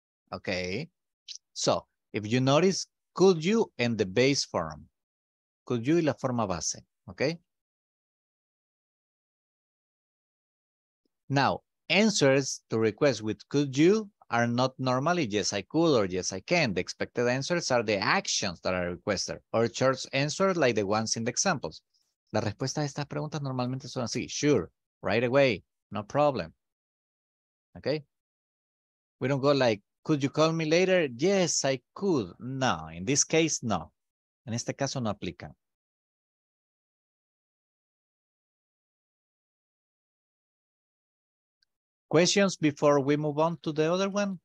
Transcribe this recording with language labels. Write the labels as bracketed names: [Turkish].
[English] Okay, so if you notice, could you and the base form, could you [Spanish] y la forma base, [English] okay? Now, answers to requests with could you are not normally yes, I could or yes, I can. The expected answers are the actions that are requested or short answers like the ones in the examples. [Spanish] La respuesta a estas preguntas normalmente son así, [English] sure, right away, no problem, [Spanish] okay? [English] We don't go like, could you call me later? Yes, I could. No, in this case, no. [Spanish] En este caso, no aplica. [English] Questions before we move on to the other one?